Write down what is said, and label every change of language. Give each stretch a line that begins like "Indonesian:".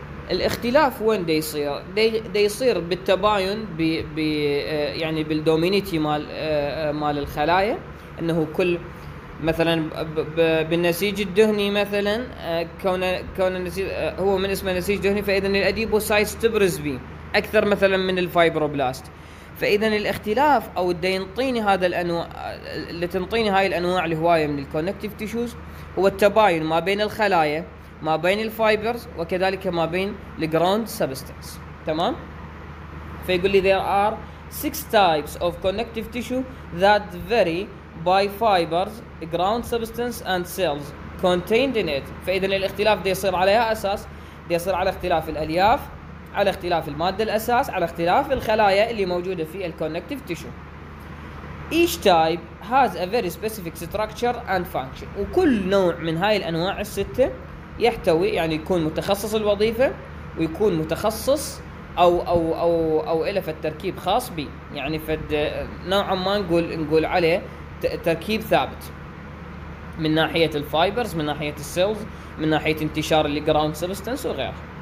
Arabic: الاختلاف وين دي يصير؟ دي يصير بالتباين يعني بالدومينيتي مال الخلايا، انه كل مثلا بالنسيج الدهني مثلا كون النسيج هو من اسمه نسيج دهني، فاذا الاديبوسايتس تبرز به اكثر مثلا من الفايبروبلاست. فاذا الاختلاف او اللي ينطيني هذا الانواع اللي تنطيني هاي الانواع الهوايه من الكونكتيف تيشوز هو التباين ما بين الخلايا، ما بين الفايبرز، وكذلك ما بين الجراوند سبستنس. تمام. فيقول لي
English: there are six types of connective tissue that vary by fibers, ground substance and cells contained in it.
Arabic: فاذا الاختلاف ده يصير عليها اساس، ده يصير على اختلاف الالياف، على اختلاف المادة الأساس، على اختلاف الخلايا اللي موجودة في الconnective tissue.
English: Each type has a very specific structure and function.
Arabic: وكل نوع من هاي الأنواع الستة يحتوي، يعني يكون متخصص الوظيفة ويكون متخصص أو أو أو أو إلى في التركيب خاص به، يعني فد نوعا ما نقول عليه تركيب ثابت من ناحية الفايبرز، من ناحية السيلز، من ناحية انتشار اللي ground substance وغيره.